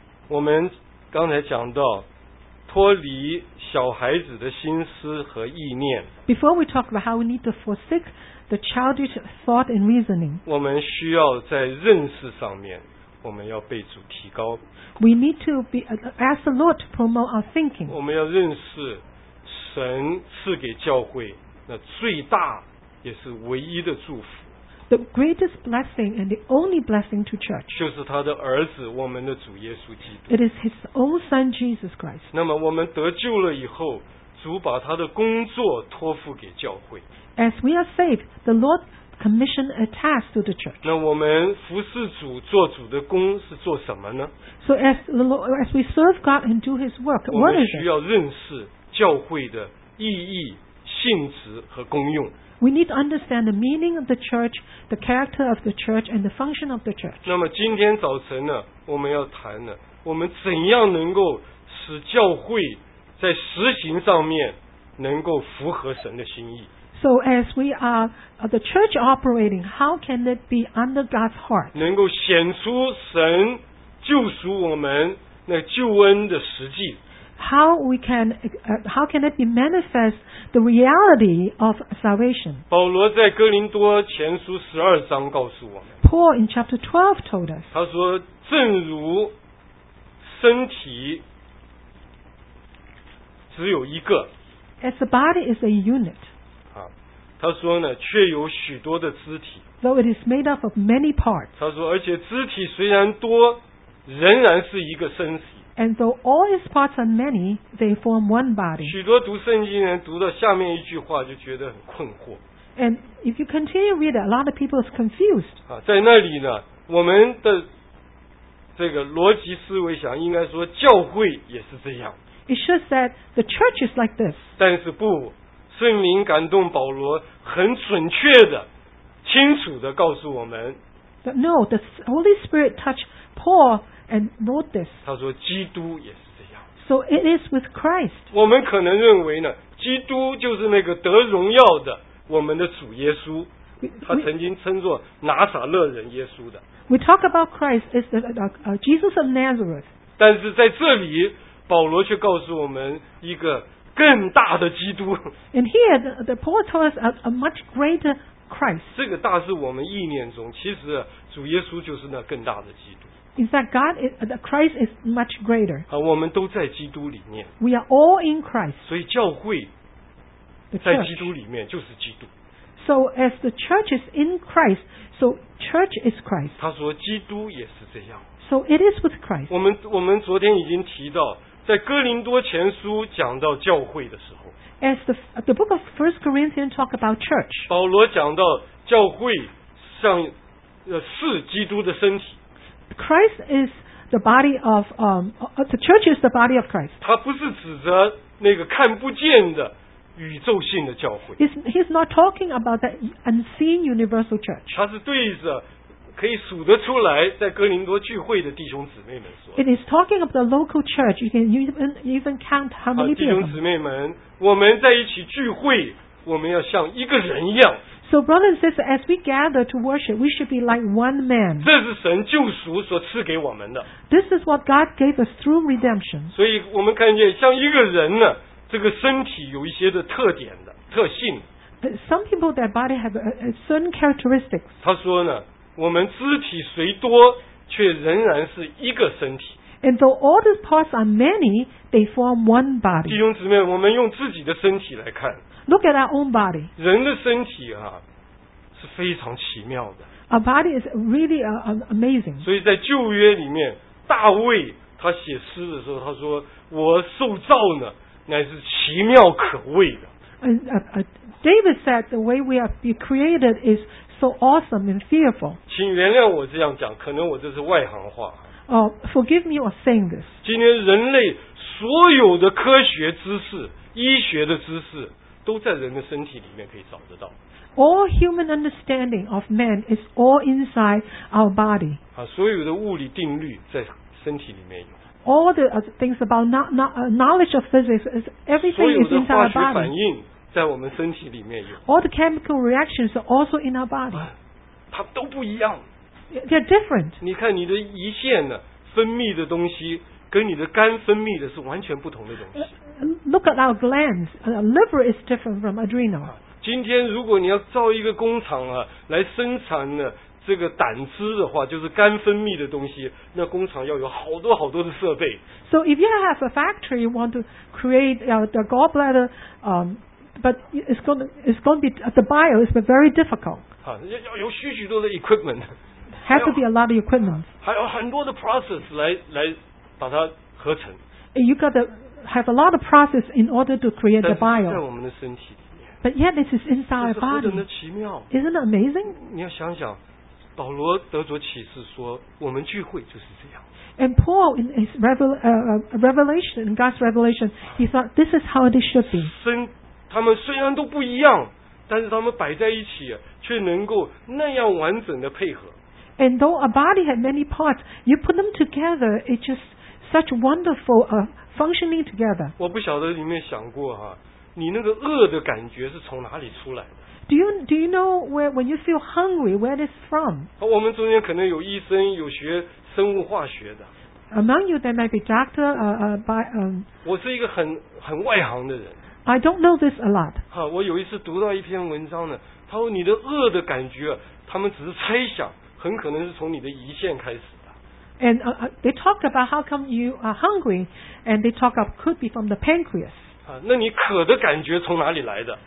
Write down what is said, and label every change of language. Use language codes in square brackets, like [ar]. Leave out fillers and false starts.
[zh] 我们刚才讲到脱离小孩子的心思和意念。 [en] Before we talk about how we need to forsake the childish thought and reasoning, [zh] 我们需要在认识上面，我们要被主提高。 [en] We need to be ask the Lord to promote our thinking. [zh] 我们要认识神赐给教会那最大也是唯一的祝福。 [en] The greatest blessing and the only blessing to church. [zh] 就是他的儿子，我们的主耶稣基督。 [en] It is His own Son, Jesus Christ. [zh] 那么我们得救了以后，主把他的工作托付给教会。 [en] As we are saved, the Lord commissioned a task to the church. [zh] 那我们服侍主，做主的工是做什么呢？ [en] So as the Lord, as we serve God and do His work, what is it? [zh] 我们需要认识教会的意义、性质和功用。 [en] We need to understand the meaning of the church, the character of the church, and the function of the church. [zh] 那么今天早晨呢，我们要谈呢，我们怎样能够使教会在实行上面能够符合神的心意。 [en] So as we are the church operating, how can it be under God's heart? [zh] 能够显出神救赎我们那救恩的实际。 [en] How can it be manifest the reality of salvation? [zh] 保罗在哥林多前书十二章告诉我们。 [en] Paul in chapter 12 told us. [zh] 他说，正如身体只有一个。 [en] As the body is a unit. [zh] 他说呢，却有许多的肢体。 [en] Though it is made up of many parts. [zh] 他说，而且肢体虽然多，仍然是一个身体。 [en] And though all its parts are many, they form one body. [zh] 许多读圣经人读到下面一句话就觉得很困惑。 [en] And if you continue to read it, a lot of people are confused. [zh] 在那里呢，我们的这个逻辑思维想，应该说教会也是这样。 [en] It should say the church is like this. [zh] 但是不，圣灵感动保罗，很准确的、清楚的告诉我们。 [en] But no, the Holy Spirit touched Paul. And wrote this. [zh] 他说基督也是这样。 [en] So it is with Christ. [zh] 我们可能认为呢，基督就是那个得荣耀的我们的主耶稣，他曾经称作拿撒勒人耶稣的。 [en] We talk about Christ is the Jesus of Nazareth. [zh] 但是在这里，保罗却告诉我们一个更大的基督。 [en] And here the Paul told us a much greater Christ. [zh] 这个大是我们意念中，其实主耶稣就是那更大的基督。 [en] In fact, God is, Christ is much greater. [zh] 啊，我们都在基督里面。 [en] We are all in Christ. [zh] 所以教会在基督里面就是基督。 [en] So as the church is in Christ, so church is Christ. [zh] 他说基督也是这样。 [en] So it is with Christ. [zh] 我们昨天已经提到，在哥林多前书讲到教会的时候。 [en] As the book of 1 Corinthians talk about church. [zh] 保罗讲到教会像是基督的身体。 [en] Christ is the body of the church is the body of Christ. [zh] 他不是指着那个看不见的宇宙性的教会。 [en] He's not talking about that unseen universal church. [zh] 他是对着可以数得出来在哥林多聚会的弟兄姊妹们说。 [en] It is talking of the local church. You can even count how many people. [zh] 弟兄姊妹们，我们在一起聚会，我们要像一个人一样。 [en] So brothers and sisters, as we gather to worship, we should be like one man. [zh] 这是神救赎所赐给我们的。 [en] This is what God gave us through redemption. [zh] 所以我们看见像一个人呢，这个身体有一些的特点的特性。 [en] But some people, their body have a certain characteristics. [zh] 他说呢，我们肢体虽多，却仍然是一个身体。 [en] And though all the parts are many, they form one body. [zh] 弟兄姊妹，我们用自己的身体来看。 [en] Look at our own body. [zh] 人的身体啊，是非常奇妙的。 [en] Our body is really amazing. [zh] 所以在旧约里面，大卫他写诗的时候，他说：“我受造呢，乃是奇妙可畏的。” [en] David said, "The way we have been created is so awesome and fearful." [zh] 请原谅我这样讲，可能我这是外行话。 [en] Forgive me for saying this. [zh] 今天人类所有的科学知识、医学的知识都在人的身体里面可以找得到。 [en] All human understanding of man is all inside our body. [zh] 啊，所有的物理定律在身体里面有。 [en] All the things about knowledge of physics is everything is inside our body. [zh] 所有的化学反应在我们身体里面有。 [en] All the chemical reactions are also in our body. [zh] 它都不一样。 [en] They're different. [zh] 你看你的胰腺呢，分泌的东西跟你的肝分泌的是完全不同的东西。 [en] Look at our glands. Our liver is different from adrenal. [zh] 今天如果你要造一个工厂啊，来生产呢这个胆汁的话，就是肝分泌的东西，那工厂要有好多好多的设备。 [en] So if you have a factory, you want to create the gallbladder, but it's going to be the bio is very difficult. [zh] 啊，要有许许多的 equipment. [en] Have to be a lot of equipment. [zh] 还有很多的 process 来把它合成。 [en] You got to have a lot of process in order to create the bio. [zh] 但是在我们的身体里面。 [en] But yet this is inside our body. [zh] 这是何等的奇妙。 [en] Isn't it amazing? [zh] 你要想想。保罗得着启示说，我们聚会就是这样。 [en] And Paul in his revelation, in God's revelation, he thought this is how it should be. [zh] 他们虽然都不一样，但是他们摆在一起却能够那样完整的配合。 [en] And though a body had many parts, you put them together, it's just such wonderful functioning together. [zh] 我不晓得你有没有想过哈，你那个饿的感觉是从哪里出来的？ [en] Do you know where when you feel hungry, where it's from? [zh] 我们中间可能有医生，有学生物化学的。 [en] Among you, there might be doctor. By. [zh] 我是一个很外行的人。 [en] I don't know this a lot. [zh] 我有一次读到一篇文章呢，他说你的饿的感觉，他们只是猜想，很可能是从你的胰腺开始的。 [en] And they talked about how come you are hungry, and they talked about could be from the pancreas. [zh] 那你渴的感觉从哪里来的？